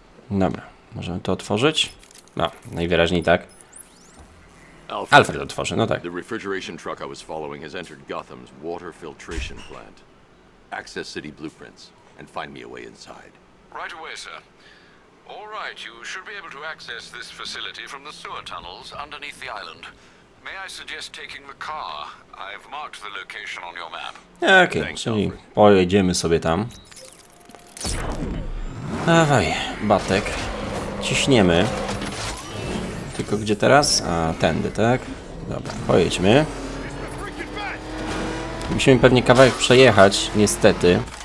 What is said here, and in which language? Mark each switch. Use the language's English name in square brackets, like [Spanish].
[Polish] Dobra, możemy to otworzyć? No, najwyraźniej tak. Alfred otworzy, no tak. [English] The refrigeration truck I was following has entered Gotham's water filtration plant. Access city blueprints and find me a way inside. Right away, sir. All right, you should be able to access this facility from the sewer tunnels underneath the island. May I suggest taking the car? I've marked the location on your map. [Polish] Okay, czyli pojedziemy sobie tam. Dawaj, batek. Ciśniemy. Tylko gdzie teraz? A, tędy, tak? Dobra, pojedźmy. Musimy pewnie kawałek przejechać, niestety.